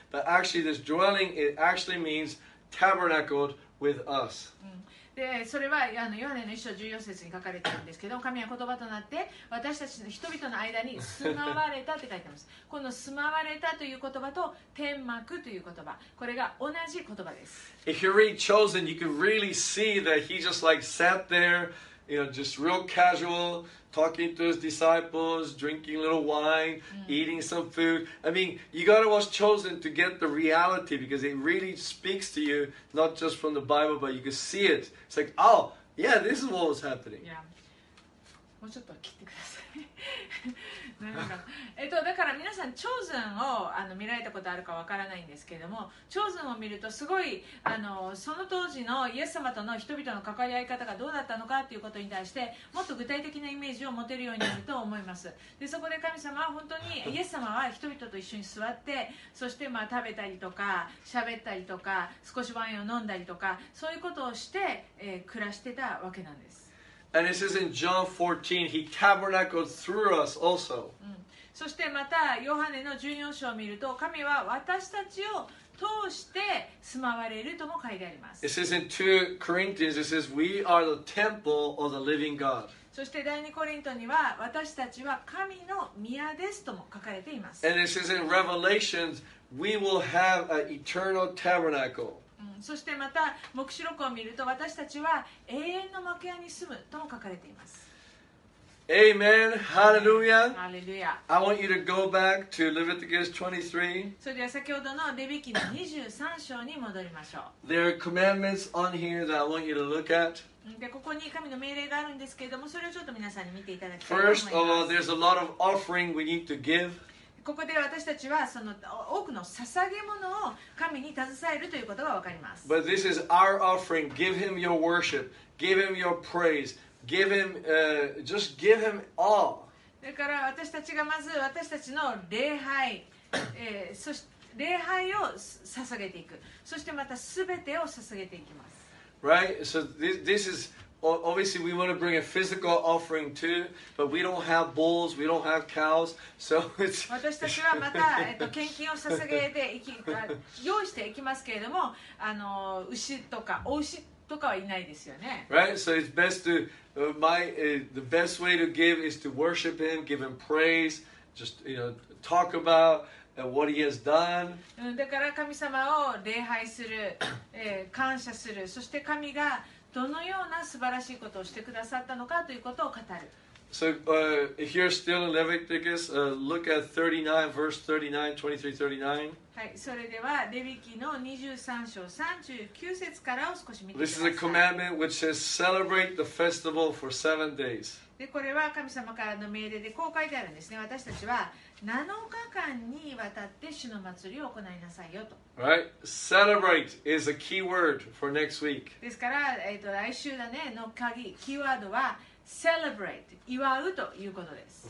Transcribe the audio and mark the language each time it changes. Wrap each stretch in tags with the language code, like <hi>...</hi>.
<en>But actually this dwelling, it actually means tabernacled with us.</en> <ja>でそれはヨハネの一章14節に書かれているんですけど、神は言葉となって私たちの人々の間に住まわれたって書いてます。この住まわれたという言葉と天幕という言葉、これが同じ言葉です。</ja> <en>If you read Chosen, you can really see that he just like sat there you know, just real casual, talking to his disciples, drinking a little wine, eating some food. I mean, you gotta watch Chosen to get the reality because it really speaks to you, not just from the Bible, but you can see it. It's like, oh, yeah, this is what was happening. Yeah.</en> <ja>もうちょっと切ってください。なんか、だから皆さん、チョーズンを見られたことあるかわからないんですけれども、チョーズンを見るとすごい、その当時のイエス様との人々の関わり合い方がどうだったのかということに対して、もっと具体的なイメージを持てるようになると思います。で、そこで神様は本当にイエス様は人々と一緒に座って、そしてまあ食べたりとか、喋ったりとか、少しワインを飲んだりとか、そういうことをして、暮らしてたわけなんです。</ja> <en>And it says in John 14, He tabernacled through us also.</en> <ja>そしてまたヨハネの14章を見ると、神は私たちを通して住まわれるとも書いてあります。</ja> <en>It says in 2 Corinthians, it says, We are the temple of the living God.</en> <ja>そして第2コリントには、私たちは神の宮ですとも書かれています。</ja> <en>And it says in Revelation, We will have an eternal tabernacle.</en> <ja>そしてまた黙示録を見ると私たちは永遠の幕屋に住むとも書かれています。</ja> <en>Amen! Hallelujah! Hallelujah! I want you to go back to Leviticus 23.</en> <ja>それでは先ほどのレビ記の23章に戻りましょう。</ja> <en>There are commandments on here that I want you to look at.</en> <ja>でここに神の命令があるんですけれども、それをちょっと皆さんに見ていただきたいと思います。</ja> <en>First of all, there's a lot of offering we need to give.</en> <ja>ここで私たちはその多くの捧げ物を神に携えるということが分かります。</ja> <en>But this is our offering. Give him your worship. Give him your praise. Give him, just give him all.</en> <ja>だから私たちがまず私たちの礼拝、そして礼拝を捧げていく。そしてまた全てを捧げていきます。</ja> <en>Right? So this is... Obviously, we want to bring a physical offering too, but we don't have bulls, we don't have cows, so it's...</en> <ja>私たちはまた、献金を捧げて用意していきますけれども、牛とかお牛とかはいないですよね。</ja> <en>Right? So it's best to... the best way to give is to worship Him, give Him praise, just, you know, talk about... What he has done.</en> <ja>だから神様を礼拝する、感謝する、そして神がどのような素晴らしいことをしてくださったのかということを語る。</ja> <en>So, if you're still in Leviticus, look at 39, verse 39, 23, 39.</en> <ja>はい、それではレビ記の23章39節からを少し見てください。</ja> <en>This is a commandment which says, celebrate the festival for seven days.</en> <ja>でこれは神様からの命令でこう書いてあるんですね。私たちは7日間にわたって主の祭りを行いなさいよと。</ja> <en>Right. Celebrate is a key word for next week.</en> <ja>ですから、来週だねの鍵、キーワードは celebrate、祝うということです。</ja>